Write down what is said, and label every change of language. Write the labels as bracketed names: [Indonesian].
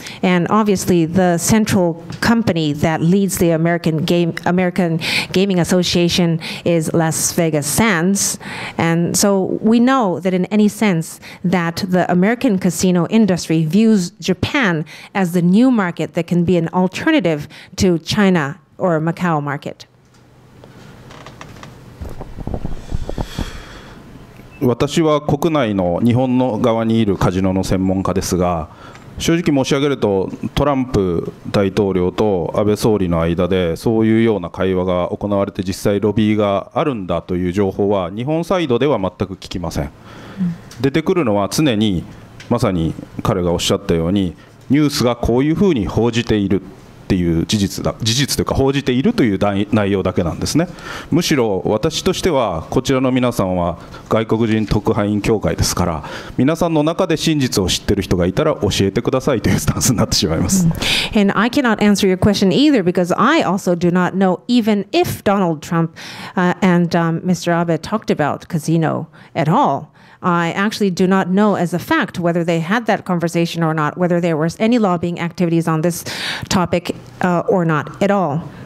[English] And obviously the central company that leads the American Gaming Association is Las Vegas Sands. And so we know that in any sense that the American casino industry views Japan as the new market that can be an alternative to China or Macau market. [Japanese] 私は国内の日本の側にいるカジノの専門家ですが、正直申し上げるとトランプ大統領と安倍総理の間でそういうような会話が行われて実際ロビーがあるんだという情報は日本サイドでは全く聞きません。出てくるのは常にまさに彼がおっしゃったようにニュースがこういうふうに報じているという事実というか報じているという内容だけなんですね。むしろ私としてはこちらの皆さんは外国人特派員協会ですから皆さんの中で真実を知っている人がいたら教えてくださいというスタンスになってしまいます。 [English] And I cannot answer your question either because I also do not know even if Donald Trump and Mr. Abe talked about casino at all. I actually do not know as a fact whether they had that conversation or not, whether there was any lobbying activities on this topic or not at all.